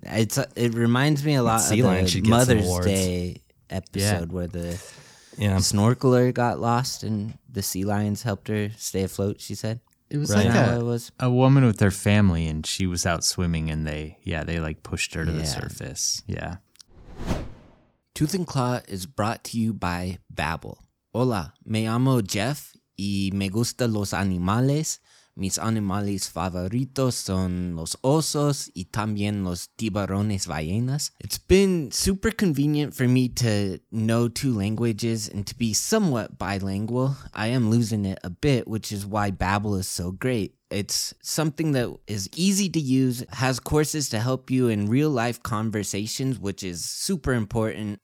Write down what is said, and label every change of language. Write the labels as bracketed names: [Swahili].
[English] It reminds me a lot sea of lion the should get Mother's some awards. Day episode where the snorkeler got lost and the sea lions helped her stay afloat, she said. It was a woman with her family, and she was out swimming, and they like pushed her to the surface. Yeah. Tooth and Claw is brought to you by Babbel. [Spanish] Hola, me llamo Jeff y me gusta los animales. Mis animales favoritos son los osos y también los tiburones ballenas. [English] It's been super convenient for me to know two languages and to be somewhat bilingual. I am losing it a bit, which is why Babbel is so great. It's something that is easy to use, has courses to help you in real life conversations, which is super important.